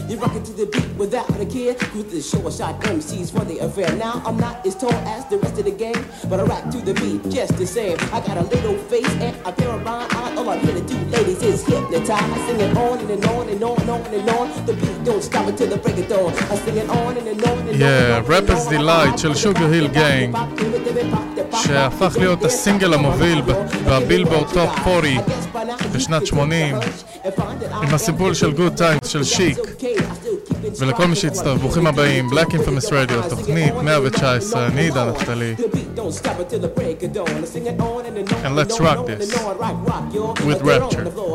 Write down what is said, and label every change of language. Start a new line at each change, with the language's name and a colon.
English: You rock it to the beat without a care. Who's the short shot MCs for the affair? Now I'm not as tall as the rest of the gang, but I rap to the beat just the same. I got a little face and a pair of blind eyes. All I'm here to do, ladies, is hypnotize. I sing it on and on and on and on and on. The beat don't stop until the break of dawn. I sing it on and on and on and on.
Hebrew: Yeah, Rapper's Delight של Sugar Hill Gang, שהפך להיות הסינגל המוביל בבילבורד טופ 40 בשנת 80 עם הסיפור של Good Times של שיק. ולכל מי שהצטרף, ברוכים הבאים, Black Infamous Radio, תוכנית 119, אני דן נפתלי.
English: And let's rock this with Rapture.